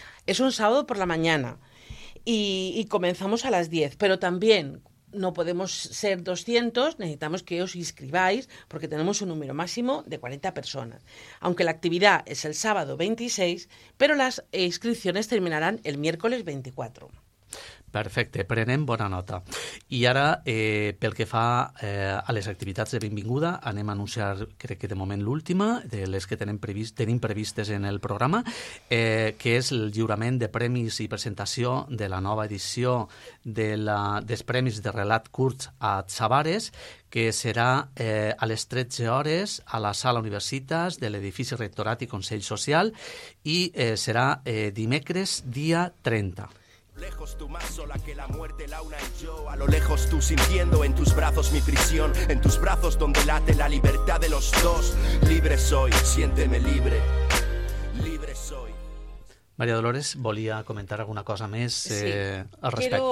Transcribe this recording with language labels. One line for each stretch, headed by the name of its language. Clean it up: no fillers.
Spanish: Es un sábado por la mañana y comenzamos a las 10, pero también no podemos ser 200, necesitamos que os inscribáis porque tenemos un número máximo de 40 personas. Aunque la actividad es el sábado 26, pero las inscripciones terminarán el miércoles 24.
Catalan: Perfecte, prenem bona nota. I ara, pel que fa a les activitats de benvinguda, anem a anunciar, crec que de moment l'última, de les que tenim previstes en el programa, que és el lliurament de premis i presentació de la nova edició dels premis de relat curt a Tsavares, que serà a les 13 hores a la Sala Universitas de l'edifici Rectorat i Consell Social i serà dimecres dia 30.
Spanish: Lejos tú más sola que la muerte, Laura y yo. A lo lejos tú sintiendo en tus brazos mi prisión. En tus brazos donde late la libertad de los dos. Libre soy, siénteme libre. Libre soy.
Catalan: María Dolores, volía comentar alguna cosa más
Spanish: sí. Al respecto.